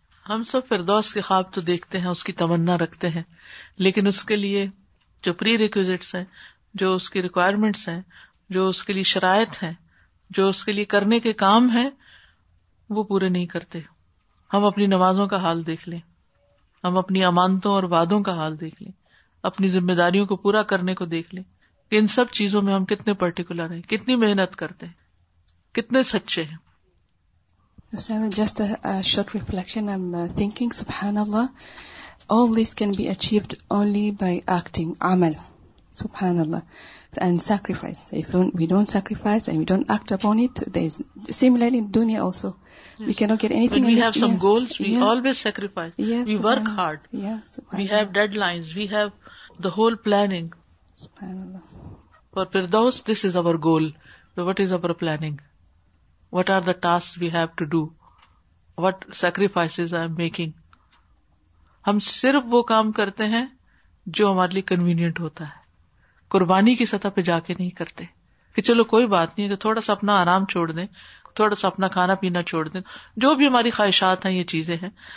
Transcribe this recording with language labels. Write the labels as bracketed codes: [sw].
[ur] ہم سب فردوس کے خواب تو دیکھتے ہیں، اس کی تمنا رکھتے ہیں، لیکن اس کے لیے جو پری ریکوزٹس ہیں، جو اس کی ریکوائرمنٹس ہیں، جو اس کے لیے شرائط ہیں، جو اس کے لیے کرنے کے کام ہیں، وہ پورے نہیں کرتے. ہم اپنی نمازوں کا حال دیکھ لیں، ہم اپنی امانتوں اور وعدوں کا حال دیکھ لیں، اپنی ذمہ داریوں کو پورا کرنے کو دیکھ لیں کہ ان سب چیزوں میں ہم کتنے پرٹیکولر ہیں، کتنی محنت کرتے ہیں، کتنے سچے ہیں. [en] Just a short reflection. I'm thinking, subhanAllah, all this can be achieved only by acting, amal, subhanAllah, and sacrifice. If we don't sacrifice and we don't act upon it, there is similarly in dunya also. Yes. We cannot get anything. When we this, have some yes. goals, we yeah. always sacrifice. Yes, we work hard. Yes, we have deadlines. We have the whole planning. SubhanAllah. For Firdaus, this is our goal. So what is our planning? What are the tasks we have to do? What sacrifices I am making? [ur] ہم صرف وہ کام کرتے ہیں جو ہمارے لیے convenient ہوتا ہے، قربانی کی سطح پہ جا کے نہیں کرتے کہ چلو کوئی بات نہیں ہے، تھوڑا سا اپنا آرام چھوڑ دیں، تھوڑا سا اپنا کھانا پینا چھوڑ دیں، جو بھی ہماری خواہشات ہیں یہ چیزیں ہیں.